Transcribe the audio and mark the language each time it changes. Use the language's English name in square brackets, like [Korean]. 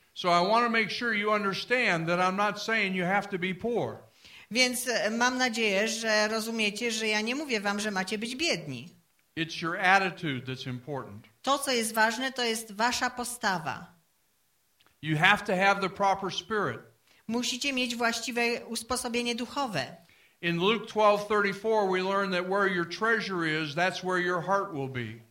[English] So I want to make sure you understand that I'm not saying you have to be poor. [Polish] Więc mam nadzieję, że rozumiecie, że ja nie mówię wam, że macie być biedni. [English] It's your attitude that's important. [Polish] To, co jest ważne, to jest wasza postawa. [English] You have to have the proper spirit. [Polish] Musicie mieć właściwe usposobienie duchowe. [English] In Luke 12:34 we learn that where your treasure is, that's where your heart will be.